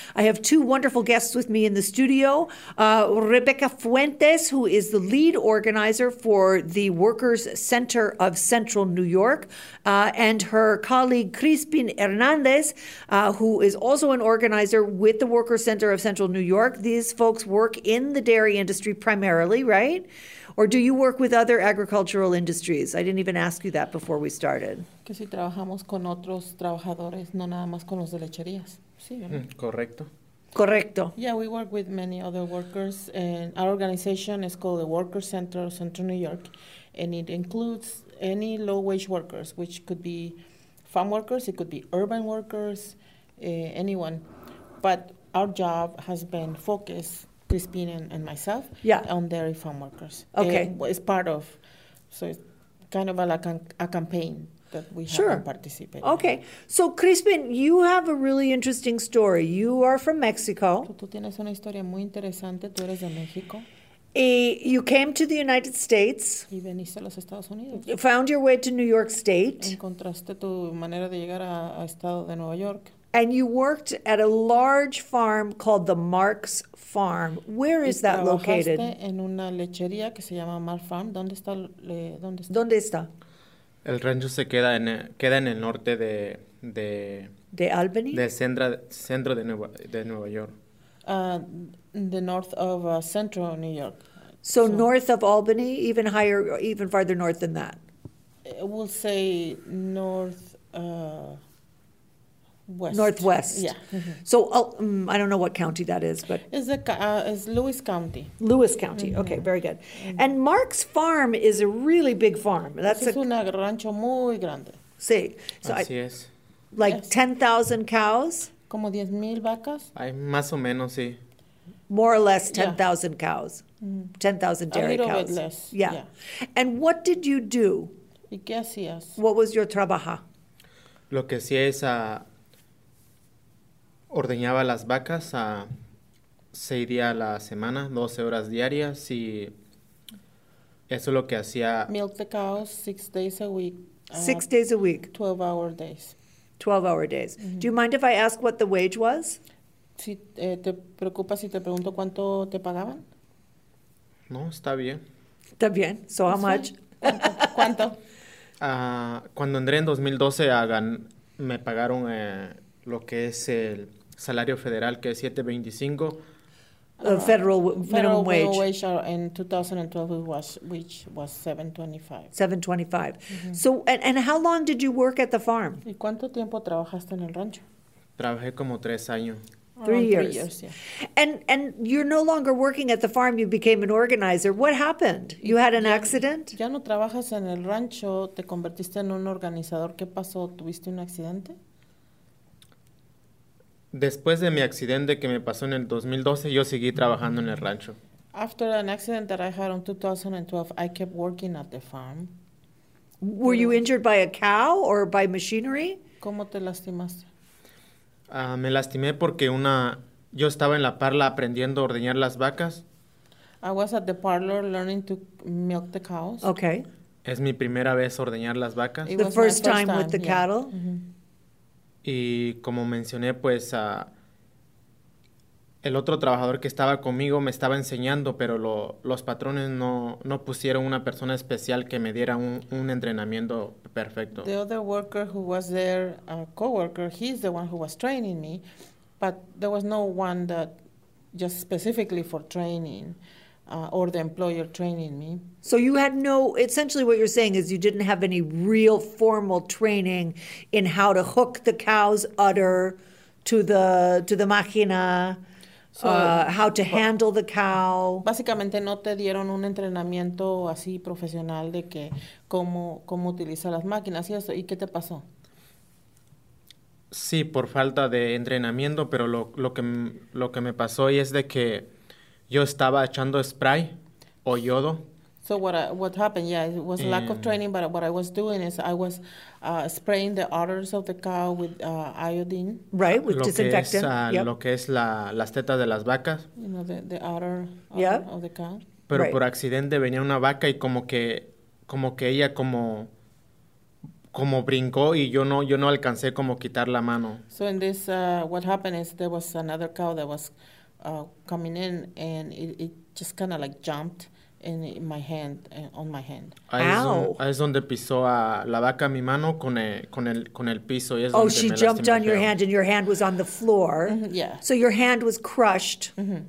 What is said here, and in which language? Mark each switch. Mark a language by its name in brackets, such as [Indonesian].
[English] I have two wonderful guests with me in the studio. Rebecca Fuentes, who is the lead organizer for the Workers' Center of Central New York, and her colleague, Crispin Hernandez, who is also an organizer with the Workers' Center of Central New York. These folks work in the dairy industry primarily, right? Or do you work with other agricultural industries? I didn't even ask you that before we started. [Spanish] Que si trabajamos con otros trabajadores, no nada más con los de lecherías. Sí, ¿verdad? Correcto. Correcto. [English] Yeah, we work with many other workers. And our organization is called the Workers Center of Central New York. And it includes any low-wage workers, which could be farm workers, it could be urban workers, anyone. But our job has been focused, Crispin and myself, on dairy farm workers. Okay. It's part of, so it's kind of like a campaign that we sure. have participated okay. in. Okay. So, Crispin, you have a really interesting story. You are from Mexico. [Spanish] Tú tienes una historia muy interesante. Tú eres de México. [English] You came to the United States. [Spanish] Y veniste a los Estados Unidos. [English] You found your way to New York State. [Spanish] Encontraste tu manera de llegar a estado de Nueva York. [English] And you worked at a large farm called the Marks Farm. Where is that located? [Spanish] En una lechería que se llama Marks Farm. ¿Dónde está? ¿Dónde está? El rancho se queda en el norte de Albany. De centro de Nueva York. [English] The north of central New York. So north of Albany, even higher, even farther north than that. We'll say north. West. Northwest. Yeah. Mm-hmm. So I don't know what county that is, but it's Lewis County. Lewis County. Mm-hmm. Okay, very good. Mm-hmm. And Mark's Farm is a really big farm. That's [Spanish] es una rancho muy grande. Sí. [English] So [Spanish] así es. [English] Like yes. 10,000 cows. [Spanish] Como 10,000 vacas. Ay, más o menos, sí. [English] More or less 10,000 cows. Mm-hmm. 10,000 dairy a little cows. Bit less. Yeah. And what did you do? [Spanish] ¿Y qué hacías? [English] What was your [Spanish] trabajo? Lo que hacía es a ordeñaba las vacas a 6 días a la semana, 12 horas diarias, y eso es lo que hacía. [English] Milk the cows 6 days a week. 6 days a week. 12-hour days. 12-hour days. Mm-hmm. Do you mind if I ask what the wage was? [Spanish] Si, ¿te preocupa si te pregunto cuánto te pagaban? No, está bien. Está bien. [English] So how much? [Spanish] ¿Cuánto? Cuando entré en 2012, me pagaron lo que es el salario federal, que es $7.25. [English] Federal minimum wage. Federal wage in 2012, which was $7.25. $7.25. Mm-hmm. So, and how long did you work at the farm? [Spanish] ¿Y cuánto tiempo trabajaste en el rancho? Trabajé como 3 años. [English] Three years. Yeah. And you're no longer working at the farm. You became an organizer. What happened? You had an accident? [Spanish] Ya no trabajas en el rancho. Te convertiste en un organizador. ¿Qué pasó? ¿Tuviste un accidente? Después de mi accidente que me pasó en el 2012, yo seguí trabajando en el rancho. [English] After an accident that I had in 2012, I kept working at the farm. Were you injured by a cow or by machinery? [Spanish] ¿Cómo te lastimaste? Me lastimé porque yo estaba en la parla aprendiendo a ordeñar las vacas. [English] I was at the parlor learning to milk the cows. Okay. [Spanish] Es mi primera vez ordeñar las vacas. [English] The first time with the cattle. Mm-hmm. [Spanish] Y como mencioné, pues el otro trabajador que estaba conmigo me estaba enseñando, pero los patrones no pusieron una persona especial que me diera un entrenamiento perfecto. [English] The other worker who was there, a coworker, he's the one who was training me, but there was no one that just specifically for training or the employer training me. So you had no, essentially what you're saying is you didn't have any real formal training in how to hook the cow's udder to the máquina. How to handle the cow. [Spanish] Básicamente no te dieron un entrenamiento así profesional de que cómo utilizar las máquinas y eso. ¿Y qué te pasó? Sí, por falta de entrenamiento, pero lo que me pasó y es de que yo estaba echando spray o yodo. [English] So what happened? Yeah, it was lack of training, but what I was doing is I was spraying the udders of the cow with iodine. Right, with disinfectant. [Spanish] Lo que es las tetas de las vacas. [English] You know, the udder of the cow. [Spanish] Pero [English] right. [Spanish] Por accidente venía una vaca y como que ella como brincó y yo no alcancé como quitar la mano. [English] So in this, what happened is there was another cow that was coming in and it just kind of like jumped. On my hand. [Spanish] Ahí es donde pisó a la vaca mi mano con el piso. Y es donde [English] she jumped on your hand and your hand was on the floor. Mm-hmm, yeah. So your hand was crushed mm-hmm.